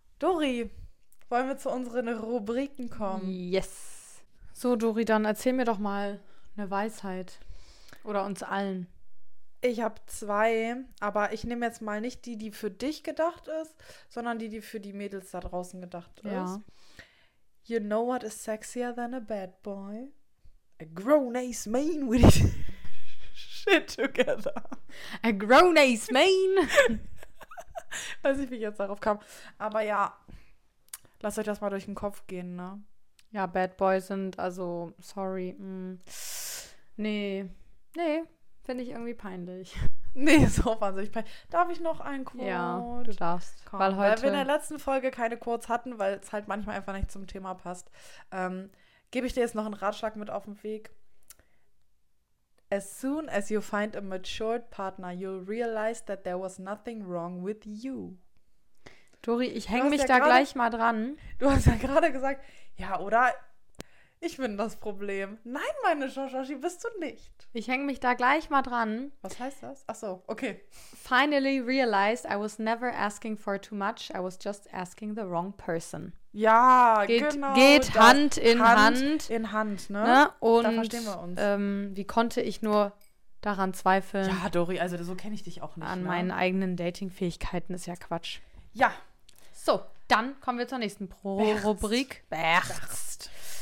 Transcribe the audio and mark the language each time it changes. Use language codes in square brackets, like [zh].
[de] Dori, wollen wir zu unseren Rubriken kommen? [en] Yes. [de] So, Dori, dann erzähl mir doch mal eine Weisheit. Oder uns allen. Ich habe 2, aber ich nehme jetzt mal nicht die, die für dich gedacht ist, sondern die, die für die Mädels da draußen gedacht ist. Ja. [en] You know what is sexier than a bad boy? A grown-ass man with his shit together. A grown-ass man? [de] Weiß nicht, wie ich jetzt darauf kam. Aber ja, lasst euch das mal durch den Kopf gehen, ne? Ja, Bad Boys sind, also, sorry. Nee. Finde ich irgendwie peinlich. Nee, ist auch wahnsinnig peinlich. Darf ich noch einen Quote? Ja, du darfst. Komm, weil heute wir in der letzten Folge keine Quotes hatten, weil es halt manchmal einfach nicht zum Thema passt, gebe ich dir jetzt noch einen Ratschlag mit auf den Weg. [en] As soon as you find a matured partner, you'll realize that there was nothing wrong with you. [de] Dori, ich hänge mich da gleich mal dran. Du hast ja gerade gesagt, ja, oder? Ich bin das Problem. Nein, meine Shoshoshi, bist du nicht. Ich hänge mich da gleich mal dran. Was heißt das? Ach so, okay. [en] Finally realized I was never asking for too much. I was just asking the wrong person. [de] Ja, geht, genau. Geht Hand in Hand. Hand in Hand, ne? Na, und da verstehen wir uns. Wie konnte ich nur daran zweifeln? Ja, Dori, also so kenne ich dich auch nicht. An meinen eigenen Dating-Fähigkeiten ist ja Quatsch. Ja. So, dann kommen wir zur nächsten Rubrik. Berst.